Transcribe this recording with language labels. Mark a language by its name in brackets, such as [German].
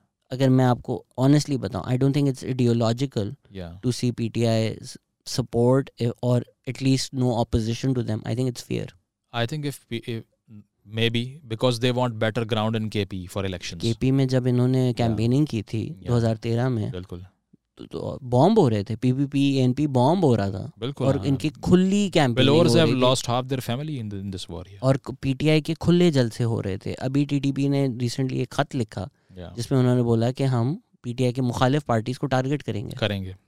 [Urdu] اگر میں آپ کو آنیسٹلی بتاؤں, [English] I don't think it's ideological to see P T I support اور at least no opposition to them. I think it's fair. Maybe because they want better ground in KP for elections. [Urdu] KP میں جب انہوں نے camping کی تھی 2013 میں, بالکل تو بمب ہو رہے تھے, پی پی پی این پی بمب ہو رہا تھا, بالکل. اور ان کی کھلی camping, [English] bowlers have lost half their family in this war, [Urdu] اور پی ٹی آئی کے کھلے جلسے ہو رہے تھے. ابھی ٹی ٹی پی نے ریسنٹلی ایک خط لکھا جس میں انہوں نے بولا کہ ہم پی ٹی آئی کے مخالف پارٹیز کو ٹارگیٹ کریں گے.